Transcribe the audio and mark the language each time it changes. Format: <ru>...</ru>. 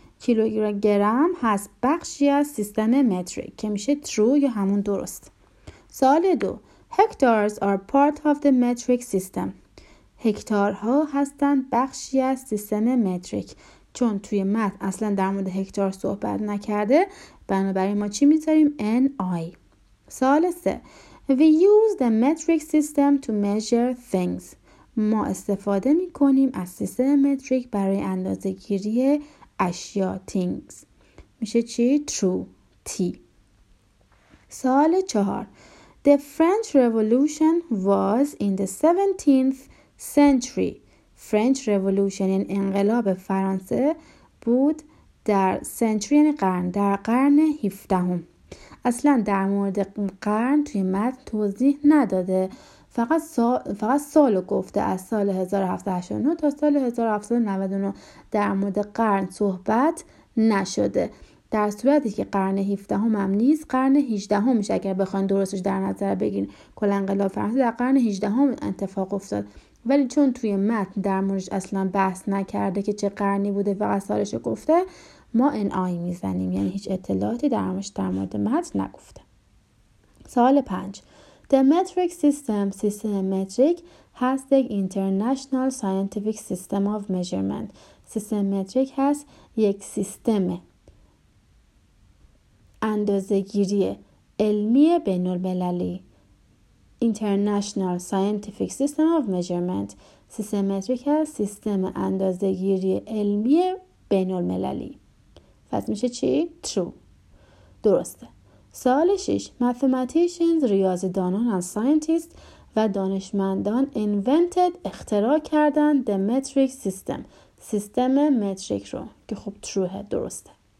<fa>کیلوگرم هست بخشی از سیستم متریک، که میشه true یا همون درست. سال 2،</fa> <en>hectares are part of the metric system.</en> <fa>هکتارها هستند بخشی از سیستم متریک. چون توی متن اصلا در مورد هکتار صحبت نکرده، بنابراین ما چی میذاریم؟ ni. سال 3،</fa> <en>we use the metric system to measure things.</en> <fa>ما استفاده می کنیم از سیستم متریک برای اندازه گیری اشیا، things. میشه چی؟ true.</fa> <en>T.</en> <fa>سال 4،</fa> <en>the French Revolution was in the 17th century.</en> <fa>French Revolution، این انقلاب فرانسه بود در century، یعنی قرن، در قرن 17. اصلا در مورد قرن توی متن توضیح نداده، فقط سال گفته از سال 1789 تا سال 1799 در مورد قرن صحبت نشده، در صورتی که قرن 17 هم نیست، قرن 18 همش اگر بخواین درستش در نظر بگیرین، کل انقلاب فرانسه در قرن 18 هم اتفاق افتاد، ولی چون توی متن در موردش اصلا بحث نکرده که چه قرنی بوده، فقط سالش رو گفته، ما ان آی میزنیم، یعنی هیچ اطلاعاتی در مورد متن نگفته. سال 5،</fa> <en>the metric system,</en> <fa>سیستم متریک</fa> <en>has the international scientific system of measurement.</en> <fa>سیستم متریک هست یک سیستم اندازه‌گیری علمی بین‌المللی.</fa> <en>International scientific system of measurement.</en> <fa>سیستم متریک هست سیستم اندازه‌گیری علمی بین‌المللی. پس میشه چی؟ true. درسته. سال 6، mathematicians، ریاضیدانان</fa> <en>and scientists</en> <fa>و دانشمندان invented، اختراع کردند</fa> <en>the metric system،</en> <fa>سیستم متریک رو، که خب true، درسته.</fa>